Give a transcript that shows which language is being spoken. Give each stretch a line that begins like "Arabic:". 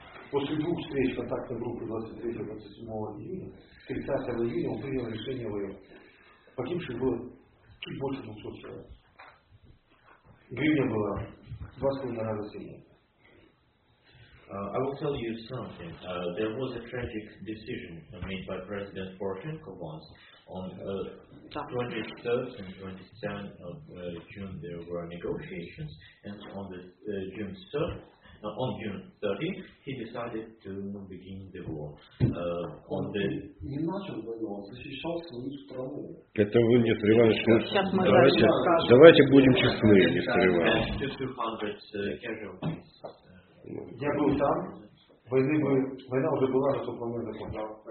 Russian: После двух встреч контактной группы 23-27 июня, 30 июня, он принял решение воевать. Погибших было чуть больше 200 человек. Гривня была 2,5 раза сильнее.
English: I will tell you something. There was a tragic decision made by President Poroshenko once. On 23rd and 27th of June there were negotiations, and on the on June 30th he decided to begin the war. On the
Russian: не начал войну, он защищал свою страну. Это вы не отрываете. Давайте, давайте будем честны, не отрываем. Я был там, война уже была на тот момент закончена.